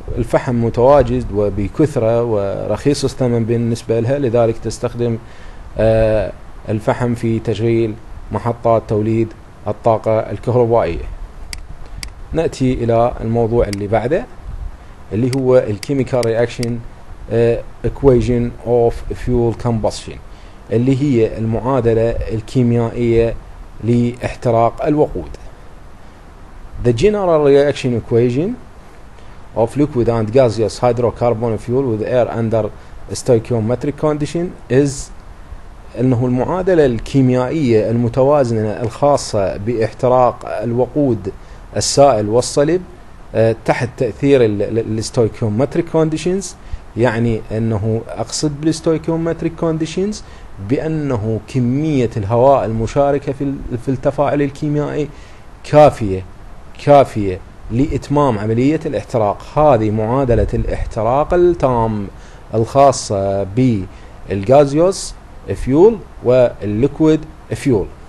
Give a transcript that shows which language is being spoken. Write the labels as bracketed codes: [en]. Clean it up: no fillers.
[ar] الفحم متواجد وبكثرة ورخيص الثمن بالنسبة لها، لذلك تستخدم الفحم في تشغيل محطات توليد الطاقة الكهربائية. نأتي إلى الموضوع اللي بعده اللي هو [en] الكيميكال reaction equation of fuel combustion [ar] اللي هي المعادلة الكيميائية لاحتراق الوقود. [en] The general reaction equation of liquid and gaseous hydrocarbon fuel with air under stoichiometric condition is [ar] انه المعادلة الكيميائية المتوازنة الخاصة باحتراق الوقود السائل والصلب تحت تأثير الستويكيومتريك كونديشنز. يعني انه اقصد بالستويكيومتريك كونديشنز بانه كمية الهواء المشاركة في التفاعل الكيميائي كافية لإتمام عملية الاحتراق. هذه معادلة الاحتراق التام الخاصة بالغازيوس فيول والليكويد فيول.